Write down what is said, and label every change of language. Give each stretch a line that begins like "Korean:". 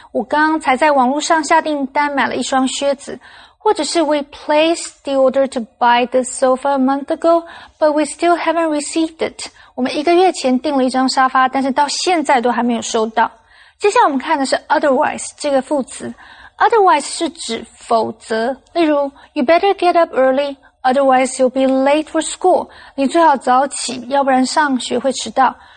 Chinese: 我刚才在网络上下订单买了一双靴子。或者是
English: we placed the order to buy the sofa a month ago, but we still haven't received it.
Chinese: 我们一个月前订了一张沙发，但是到现在都还没有收到。接下来我们看的是 otherwise 这个副词。Otherwise 是指否则。例如
English: you better get up early, otherwise you'll be late for school.
Chinese: 你最好早起，要不然上学会迟到。